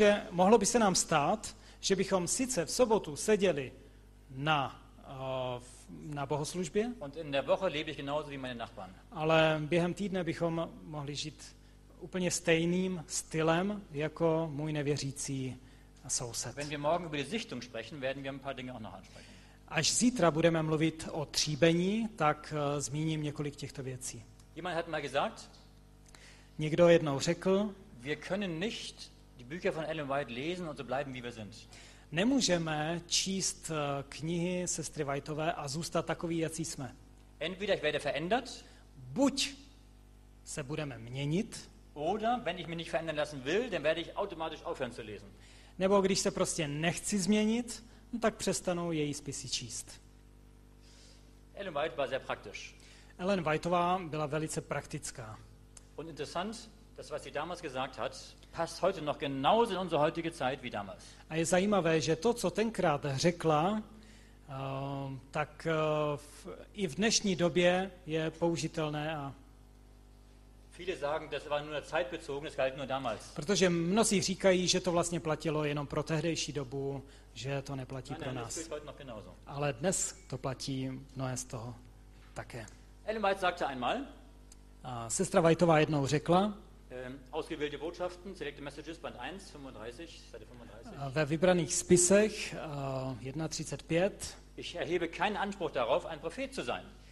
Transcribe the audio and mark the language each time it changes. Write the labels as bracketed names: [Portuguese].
[Czech] Mohlo by se nám stát, že bychom sice v sobotu seděli na bohoslužbě. [German] Und in der Woche lebe ich genauso wie meine Nachbarn. [Czech] Ale během týdne bychom mohli žít úplně stejným stylem jako můj nevěřící soused. [German] Wenn wir morgen über die Sichtung sprechen, werden wir ein paar Dinge auch noch ansprechen. [Czech] Až zítra budeme mluvit o tříbení, tak zmíním několik těchto věcí. [German] Jemand hat mal gesagt, [Czech] někdo jednou řekl, [German] wir können nicht die Bücher von Ellen White lesen und so bleiben wie wir sind. [Czech] Nemůžeme číst knihy sestry Whiteové a zůstat takový, jací jsme. [German] Entweder ich werde verändert, [Czech] buď se budeme měnit, [German] oder wenn ich mich nicht verändern lassen will, dann werde ich automatisch aufhören zu lesen. [Czech] Nebo když se prostě nechci změnit, no tak přestanu její spisy číst. [German] Ellen White war sehr praktisch. [Czech] Ellen Whiteová byla velice praktická. [German] Und interessant, das was sie damals gesagt hat, passt heute noch genauso in unsere heutige Zeit wie damals. [Czech] A je zajímavé, že to, co tenkrát řekla, tak i v dnešní době je použitelné. A [German] viele sagen, das war nur zeitbezogen, es galt nur damals. [Czech] Protože mnozí říkají, že to vlastně platilo jenom pro tehdejší dobu, že to neplatí pro nás. Ale dnes to platí mnohé z toho také. [German] Ellen White sagte einmal, [Czech] sestra Whiteová jednou řekla, [German] ausgewählte Botschaften, selected messages, Band 1, 35, Seite 35. [Czech] Ve vybraných spisech, 1.35. [German] Ich erhebe keinen Anspruch darauf, ein Prophet zu sein.